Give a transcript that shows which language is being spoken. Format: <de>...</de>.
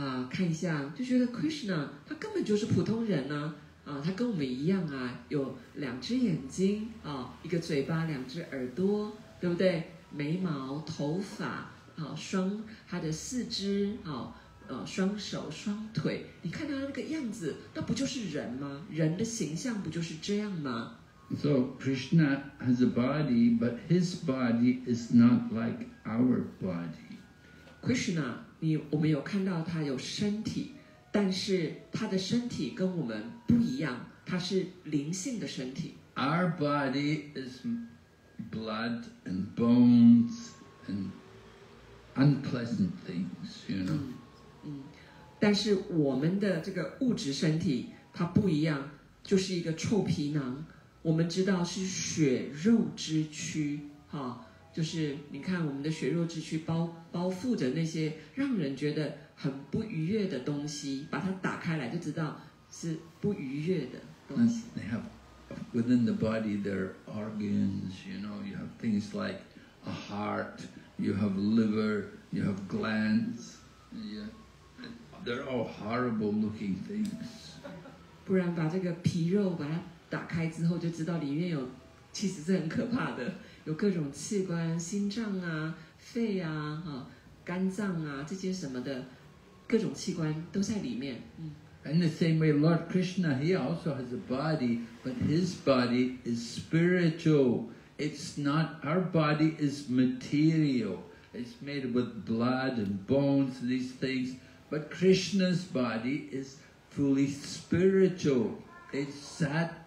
<zh>看一下，就觉得 Krishna, 他根本就是普通人啊，他跟我们一样啊，有两只眼睛，一个嘴巴，两只耳朵，对不对？眉毛，头发，他的四肢，双手，双腿，你看他那个样子，那不就是人吗？人的形象不就是这样吗？</zh> <en>So Krishna has a body, but his body is not like our body.</en> <zh>Krishna, 我们有看到他有身体，但是他的身体跟我们不一样，他是灵性的身体。</zh> <en>Our body is blood and bones and unpleasant things, you know.</en> <zh>但是我们的这个物质身体，它不一样，就是一个臭皮囊。我们知道是血肉之躯，就是你看我们的血肉之躯 包覆着那些让人觉得很不愉悦的东西，把它打开来就知道是不愉悦的东西。</zh> <en>They have within the body their organs, you know, you have things like a heart, you have liver, you have glands, yeah, they're all horrible looking things.</en> <zh>不然把这个皮肉把它打开之后就知道里面有，其实是很可怕的，有各种器官，心脏啊，肺啊，肝脏啊，这些什么的，各种器官都在里面。</zh> <en>In the same way, Lord Krishna, he also has a body, but his body is spiritual. It's not, our body is material. It's made with blood and bones, these things. But Krishna's body is fully spiritual. It's sat.</en>